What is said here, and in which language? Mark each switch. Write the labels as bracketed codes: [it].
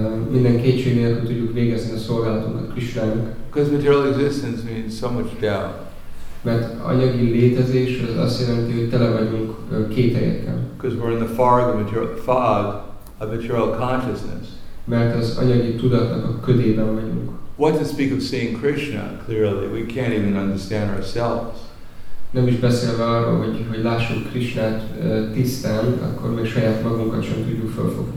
[hu] Minden kétség nélkül tudjuk végezni a szolgálatunkat Krisztának. [en] Because material existence means so much doubt. [hu] Mert anyagi létezés az azt jelenti, hogy tele vagyunk kételyekkel. [en] Because we're in the fog of material, fog of material consciousness. [hu] Mert az anyagi tudatnak a ködében vagyunk. [en] What to speak of seeing Krishna clearly? We can't even understand ourselves. [hu] Nem is beszélve arról, hogy lássuk Krisnát tisztán, akkor még saját magunkat sem tudjuk felfogni.